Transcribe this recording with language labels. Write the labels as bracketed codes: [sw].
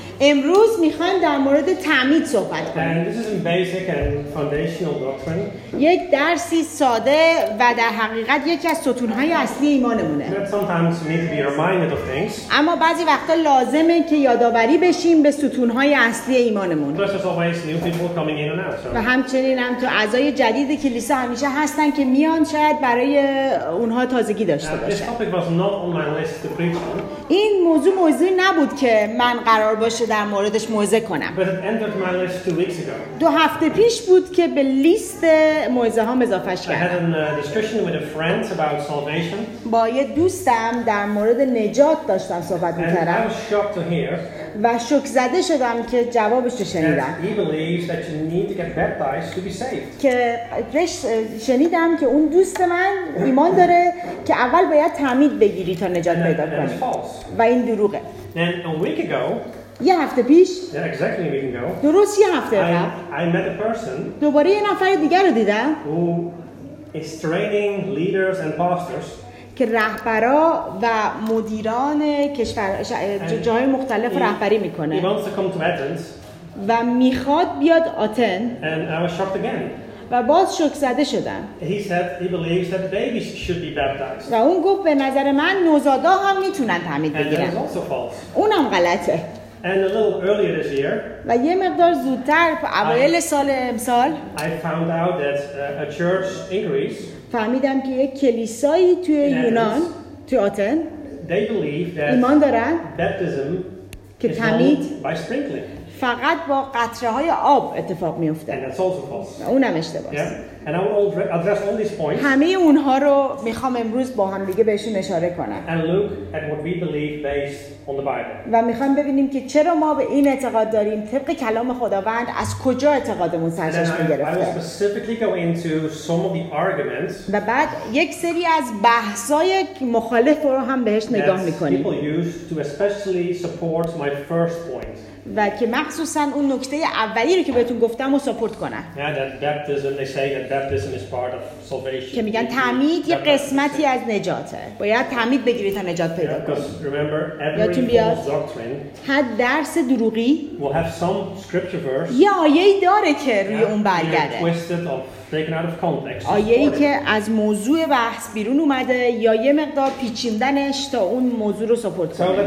[fa] امروز میخوایم در مورد تعمید صحبت کنیم. [en] And this is a basic and foundational doctrine. [fa] یک درسی ساده و در حقیقت یکی از ستون‌های اصلی ایمانمونه. [en] But sometimes we need to be reminded of things. [fa] اما بعضی وقتا لازمه که یادآوری بشیم به ستون‌های اصلی ایمانمون. [en] Plus there's always new people coming in and out. [fa] و همچنین هم تو اعضای جدید کلیسا همیشه هستن که میان، شاید برای اونها تازگی داشته باشه. [en] This topic was not on my list to preach on. [fa] این موضوع نبود که من قرار باشه در موردش موعظه کنم. [en] But it entered my list 2 weeks ago. [fa] دو هفته پیش بود که به لیست موعظه هام اضافه کردم. [en] I had a discussion with a friend about salvation. [fa] با یه دوستم در مورد نجات داشتم صحبت می‌کردم. [en] And I was shocked to hear. [fa] و شوک زده شدم که جوابش رو شنیدم. [en] He believes that you need to get baptized to be saved. [fa] که شنیدم که اون دوست من ایمان داره که اول باید تعمید بگیری تا نجات پیدا کنی. و این دروغه. [en] And a week ago. [fa] یه هفته پیش [en] yeah, exactly, we can go. [fa] درست یه هفته قبل [en] I met a person [fa] دوباره یه نفر دیگر رو دیدم [en] who is training leaders and pastors [fa] که رهبرا و مدیران کشور جای مختلف رهبری میکنه [en] he wants to come to Athens [fa] و میخواد بیاد آتن [en] and I was shocked again [fa] و باز شوک زده شدم. [en] He said he believes that babies should be baptized. [fa] و اون گفت به نظر من نوزادا هم میتونن تعمید بگیرن. [en] And that is also false. [fa] اونم غلطه. [en] And a little earlier this year. [fa] و یه مقدار زودتر اوایل سال امسال. [en] I found out that a church in Greece. [fa] فهمیدم که یک کلیسایی توی یونان توی آتن. [en] They believe that [fa] ایمان دارن [en] baptism [fa] که تعمید [en] by sprinkling. [fa] فقط با قطره های آب اتفاق میفته. [en] And that's also false. [fa] اونم اشتباه است. [en] Yeah. And I will address all these points. [fa] همه اونها رو میخوام امروز با هم دیگه بهشون اشاره کنم. [en] And look at what we believe based on the Bible. [fa] و میخوام ببینیم که چرا ما به این اعتقاد داریم طبق کلام خداوند از کجا اعتقادمون سرچشمه گرفته. [en] And I will specifically go into some of the arguments. [fa] و بعد یک سری از بحثای مخالف رو هم بهش نگاه میکنیم. [en] People use to especially support my first point. [fa] و که مخصوصا اون نکته اولی رو که بهتون گفتم رو ساپورت کنن. [en] Yeah, that baptism, they say that baptism is part of salvation. [fa] که میگن تعمید یه قسمتی از نجاته. باید تعمید بگیری تا نجات پیدا کنی. [en] Because remember, every false doctrine [fa] هر درس دروغی [en] will have some scripture verse [fa] یه آیه‌ای داره که روی اون برگرده. [en] Twisted or taken out of context. [fa] آیه‌ای که از موضوع بحث بیرون اومده یا یه مقدار پیچیدنش تا اون موضوع رو ساپورت کنه.